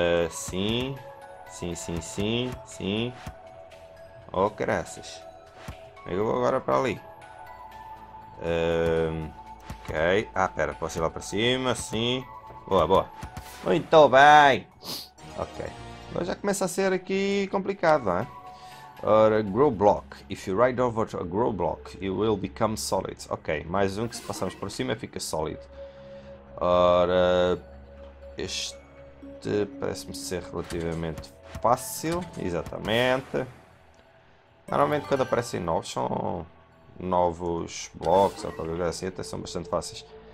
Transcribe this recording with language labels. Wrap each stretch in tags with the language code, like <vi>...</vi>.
<pt>Sim. Sim. Oh, graças. Eu vou agora para ali. Ok. Ah, pera, posso ir lá para cima? Sim. Boa. Muito bem! Ok. Agora já começa a ser aqui complicado, hein? Ora, grow block.</pt> <en>If you ride over a grow block, it will become solid.</en> <pt>Ok, mais um que se passarmos por cima fica sólido. Ora, este parece-me ser relativamente fácil. Exatamente. Normalmente quando aparecem novos são novos blocos ou qualquer coisa assim, até são bastante fáceis.</pt>